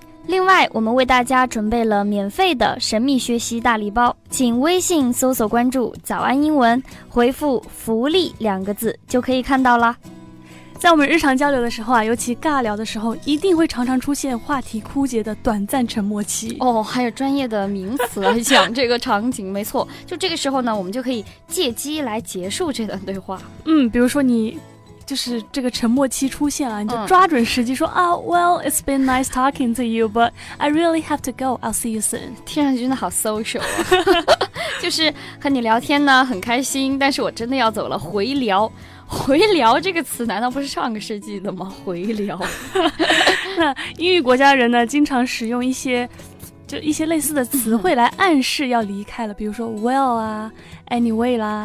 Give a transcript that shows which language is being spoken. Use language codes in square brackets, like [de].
[zh] 另外，我们为大家准备了免费的神秘学习大礼包，请微信搜索关注早安英文，回复福利两个字就可以看到了。在我们日常交流的时候啊，尤其尬聊的时候，一定会常常出现话题枯竭的短暂沉默期。哦，还有专业的名词来讲这个场景。没错，就这个时候呢，我们就可以借机来结束这段对话。嗯，比如说你就是这个沉默期出现了，你就抓准时机说啊、 [en] well, it's been nice talking to you, but I really have to go. I'll see you soon. [zh] 听上去真的好 social 啊。就是和你聊天呢很开心，但是我真的要走了，回聊。回聊这个词难道不是上个世纪的吗？回聊。那英语国家人呢经常使用一些类似的词汇来暗示要离开了，比如说 well 啊， anyway 啦，